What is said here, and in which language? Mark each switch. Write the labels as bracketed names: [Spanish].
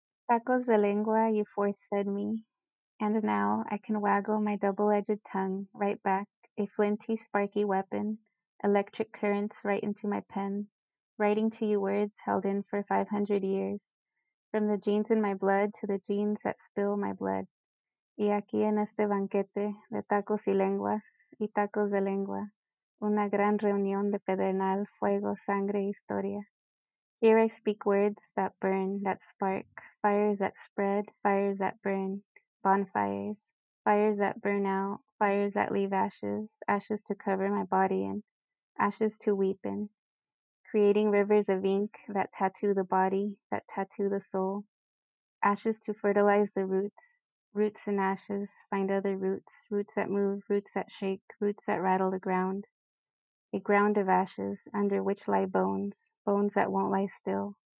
[Spanish] Tacos de lengua, [English] you force-fed me. And now I can waggle my double-edged tongue right back, a flinty, sparky weapon, electric currents right into my pen, writing to you words held in for 500 years, from the genes in my blood to the genes that spill my blood. [Spanish] Y aquí en este banquete de tacos y lenguas y tacos de lengua, una gran reunión de pedernal, fuego, sangre, historia. [English] Here I speak words that burn, that spark, fires that spread, fires that burn, bonfires, fires that burn out, fires that leave ashes, ashes to cover my body in, ashes to weep in, creating rivers of ink that tattoo the body, that tattoo the soul, ashes to fertilize the roots, roots and ashes, find other roots, roots that move, roots that shake, roots that rattle the ground, a ground of ashes under which lie bones, bones that won't lie still.